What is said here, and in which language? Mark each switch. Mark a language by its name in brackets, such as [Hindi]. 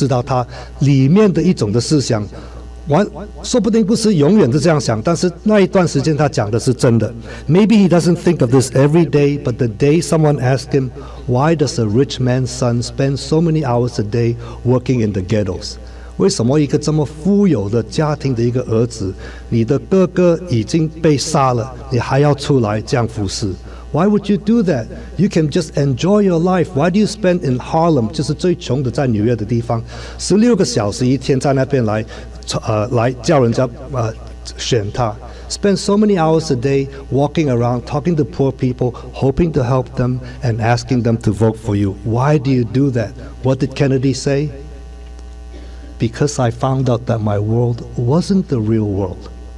[Chinese] 他讲了一句话给我很深刻的知道他里面的一种的思想。说不定不是永远都这样想，但是那一段时间他讲的是真的。 [English] Maybe he doesn't think of this every day, but the day someone asked him, why does a rich man's son spend so many hours a day working in the ghettos? [Chinese] 为什么一个这么富有的家庭的一个儿子，你的哥哥已经被杀了，你还要出来这样服侍？ [English] Why would you do that? You can just enjoy your life. Why do you spend in Harlem? [Chinese] 就是最穷的在纽约的地方， 16个小时一天在那边来 来叫人家选他。 [English] Spend so many hours a day walking around, talking to poor people, hoping to help them and asking them to vote for you. Why do you do that? What did Kennedy say? Because I found out that my world wasn't the real world.